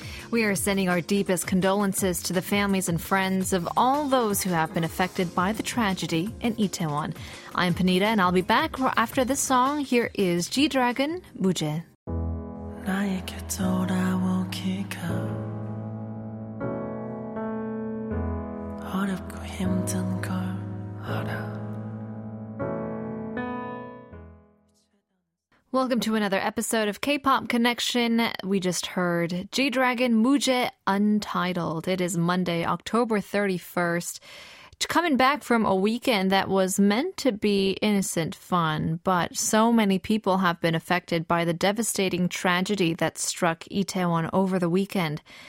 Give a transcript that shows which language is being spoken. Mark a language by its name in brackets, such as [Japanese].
[English] We are sending our deepest condolences to the families and friends of all those who have been affected by the tragedy in Itaewon. I'm Panita, and I'll be back after this song. Here is G-Dragon, 무제. [Korean] 나에게 돌아오기가 어렵고 힘든 걸 알아. [English] Welcome to another episode of K-Pop Connection. We just heard G-Dragon, 무제, Untitled. It is Monday, October 31st. Coming back from a weekend that was meant to be innocent fun, but so many people have been affected by the devastating tragedy that struck Itaewon over the weekend.